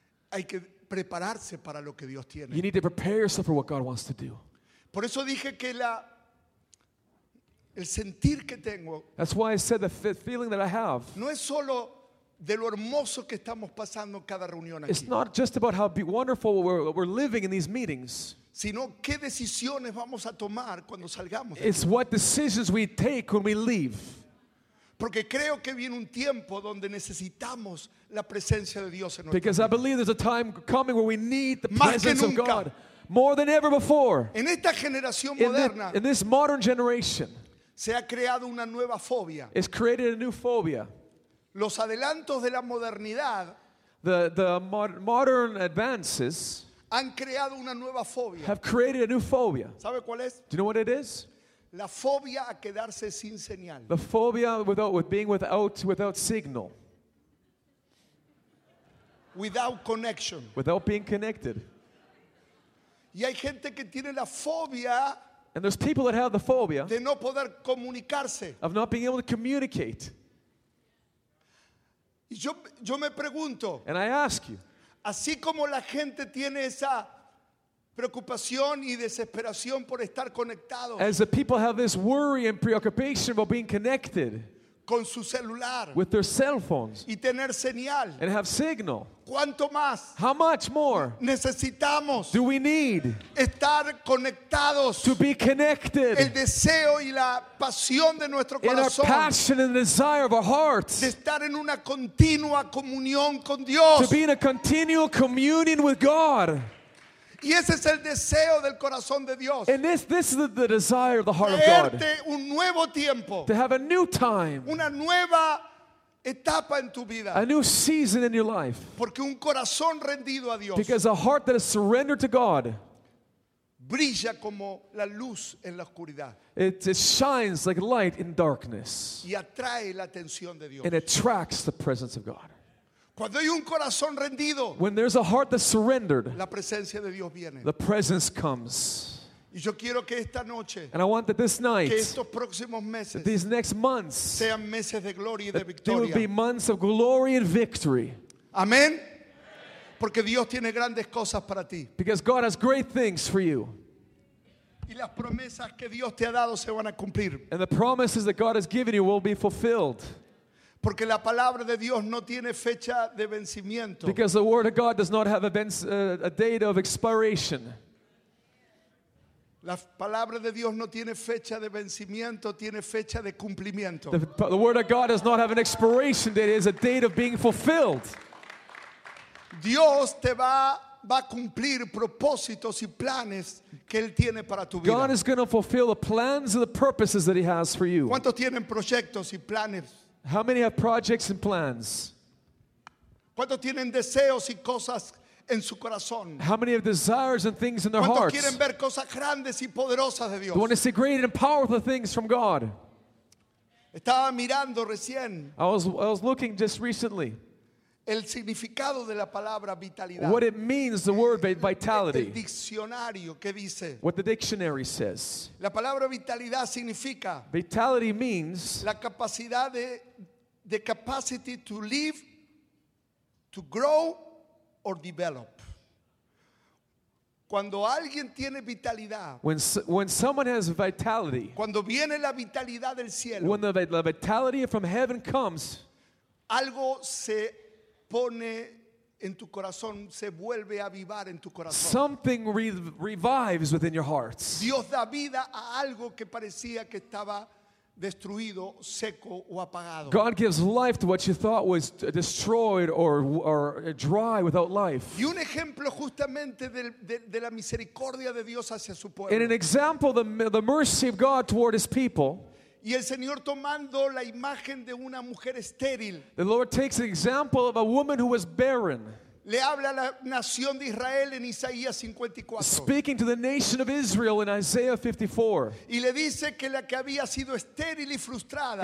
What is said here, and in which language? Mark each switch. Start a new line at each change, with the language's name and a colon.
Spanish: Hay que prepararse para lo que Dios tiene.
English: You need to prepare yourself for what God wants to do.
Spanish: Por eso dije que la el sentir que tengo.
English: That's why I said the feeling that I have.
Spanish: No es solo de lo hermoso que estamos pasando en cada reunión aquí.
English: It's not just about how wonderful we're living in these meetings.
Spanish: Sino qué decisiones vamos a tomar cuando salgamos.
English: It's what decisions we take when we leave.
Spanish: Porque creo que viene un tiempo donde necesitamos la presencia de Dios en nuestra
English: Because I believe there's a time coming where we need the
Spanish: Más
English: presence of God more than ever before.
Spanish: En esta generación moderna.
English: In this modern generation.
Spanish: Se ha creado una nueva fobia.
English: It's created a new phobia.
Spanish: Los adelantos de la modernidad,
English: the modern advances,
Spanish: han creado una nueva fobia.
English: Have created a new phobia.
Spanish: ¿Sabe cuál es?
English: Do you know what it is?
Spanish: La fobia a quedarse sin señal.
English: The phobia without signal. Without connection. Without being connected.
Spanish: Y hay gente que tiene la fobia.
English: And there's people that have the phobia.
Spanish: De no poder comunicarse.
English: Of not being able to communicate.
Spanish: Y yo me pregunto,
English: and I ask you,
Spanish: así como la gente tiene esa preocupación y desesperación por estar conectado,
English: as the people have this worry and preoccupation about being connected
Spanish: con su celular,
English: with their cell phones,
Spanish: y tener señal,
English: and have signal,
Spanish: ¿cuánto más?
English: How much more
Spanish: necesitamos,
English: do we need,
Spanish: estar conectados,
English: to be connected,
Spanish: el deseo y la pasión de nuestro corazón,
English: in our passion and the desire of our hearts,
Spanish: de estar en una continua comunión con Dios,
English: to be in a continual communion with God.
Spanish: Y ese es el deseo del corazón de Dios.
English: And this is the desire of the heart of God.
Spanish: Darte un nuevo tiempo.
English: To have a new time.
Spanish: Una nueva etapa en tu vida.
English: A new season in your life.
Spanish: Porque un corazón rendido a Dios.
English: Because a heart that is surrendered to God.
Spanish: Brilla como la luz en la oscuridad.
English: It shines like light in darkness.
Spanish: Y atrae la atención de Dios.
English: And attracts the presence of God.
Spanish: Cuando hay un corazón rendido,
English: when there's a heart that's surrendered,
Spanish: la presencia de Dios viene.
English: The presence comes.
Spanish: Y yo quiero que esta noche,
English: and I want that this night,
Spanish: que estos próximos meses,
English: that these next months,
Spanish: sean meses de gloria y de victoria.
English: They will be months of glory and victory.
Spanish: Amén. Porque Dios tiene grandes cosas para ti.
English: Because God has great things for you.
Spanish: Y las promesas que Dios te ha dado se van a cumplir.
English: And the promises that God has given you will be fulfilled.
Spanish: Porque la palabra de Dios no tiene fecha de vencimiento.
English: Because the word of God does not have a date of expiration.
Spanish: La palabra de Dios no tiene fecha de vencimiento, tiene fecha de cumplimiento.
English: The word of God does not have an expiration date, it is a date of being fulfilled.
Spanish: Dios te va a cumplir propósitos y planes que él tiene para tu vida.
English: God is going to fulfill the plans and the purposes that he has for you.
Spanish: ¿Cuántos tienen proyectos y planes?
English: How many have projects and plans?
Spanish: ¿Cuántos tienen deseos y cosas en su corazón?
English: How many have desires and things in their
Spanish: ¿Cuántos
English: hearts?
Spanish: ¿Cuántos quieren ver cosas grandes y poderosas de Dios?
English: They want to see great and powerful things from God.
Spanish: Estaba mirando recién.
English: I was looking just recently.
Spanish: El significado de la palabra vitalidad.
English: What it means, the word vitality.
Spanish: El diccionario que dice.
English: What the dictionary says.
Spanish: La palabra vitalidad significa.
English: Vitality means.
Spanish: La capacidad de
English: capacity to live, to grow, or develop.
Spanish: Cuando alguien tiene vitalidad.
English: When someone has vitality.
Spanish: Cuando viene la vitalidad del cielo.
English: When the vitality from heaven comes.
Spanish: Algo se pone en tu corazón, se vuelve a avivar en tu corazón.
English: Something revives within your hearts.
Spanish: Dios da vida a algo que parecía que estaba destruido, seco o apagado.
English: God gives life to what you thought was destroyed or dry without life.
Spanish: Y un ejemplo justamente de la misericordia de Dios hacia su pueblo.
English: And an example the mercy of God toward his people.
Spanish: Y el Señor tomando la imagen de una mujer estéril.
English: The Lord takes an example of a woman who was barren.
Spanish: Le habla a la nación de Israel en Isaías 54.
English: Speaking to the nation of Israel in Isaiah 54.
Spanish: Y le dice que la que había sido estéril y frustrada.